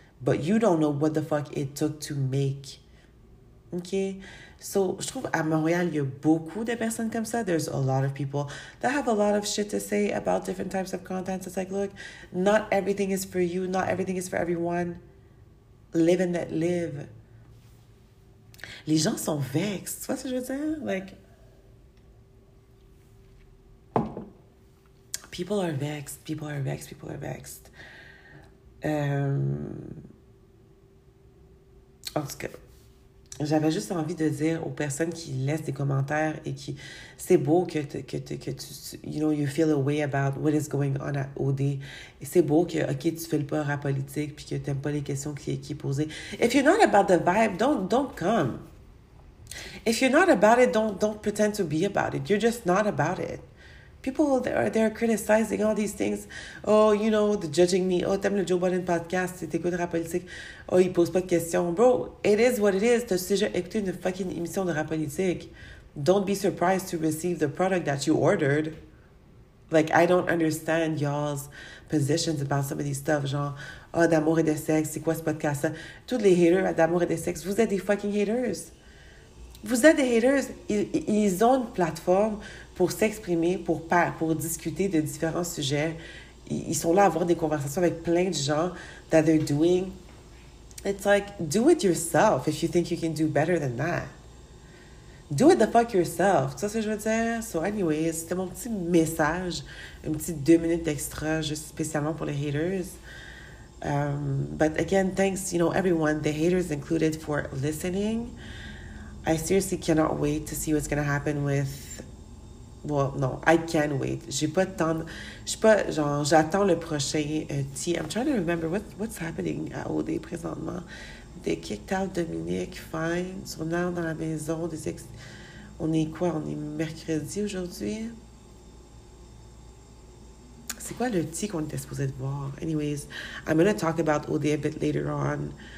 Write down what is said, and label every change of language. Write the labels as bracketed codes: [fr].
[en] But you don't know what the fuck it took to make. Okay? [fr] So, je trouve à Montréal, il y a beaucoup de personnes comme ça. [en] There's a lot of people that have a lot of shit to say about different types of content. It's like, look, not everything is for you. Not everything is for everyone. Live and let live. [fr] Les gens sont vexés, tu vois ce que je veux dire? [en] Like, people are vexed, people are vexed, people are vexed. [fr] En tout cas, j'avais juste envie de dire aux personnes qui laissent des commentaires et qui... C'est beau que tu... [en] You know, you feel a way about what is going on at OD. [fr] Et c'est beau que, OK, tu fais le peur à politique puis que t'aimes pas les questions qui est posée. [en] If you're not about the vibe, don't come. If you're not about it, don't pretend to be about it. You're just not about it. People they're criticizing all these things. Oh, you know, the judging me. [fr] Oh, t'aimes le Joe Biden podcast, t'écoutes rap politique. Oh, il pose pas de questions. [en] Bro, it is what it is. [fr] T'as déjà écouté une fucking émission de rap politique. [en] Don't be surprised to receive the product that you ordered. Like, I don't understand y'all's positions about some of these stuff. [fr] Genre, oh, d'amour et de sexe, c'est quoi ce podcast-là? Tous les haters d'amour et de sexe, vous êtes des fucking haters. Vous êtes des haters. Ils ont une plateforme pour s'exprimer, pour discuter de différents sujets. Ils sont là à avoir des conversations avec plein de gens [en] that they're doing. It's like, do it yourself if you think you can do better than that. Do it the fuck yourself. [fr] Tu vois ce que je veux dire? So anyways, c'était mon petit message, une petite 2 minutes extra juste spécialement pour les haters. [en] But again, thanks, you know, everyone, the haters included, for listening. I seriously cannot wait to see what's going to happen with... Well, no, I can wait. [fr] J'ai pas tant... J'ai pas, genre, j'attends le prochain tea. [en] I'm trying to remember what's happening [fr] à OD présentement. [en] They kicked out Dominique, fine. So now [fr] dans la maison, des ex... On est quoi? On est mercredi aujourd'hui? C'est quoi le tea qu'on était supposé de voir? [en] Anyways, I'm going to talk about OD a bit later on.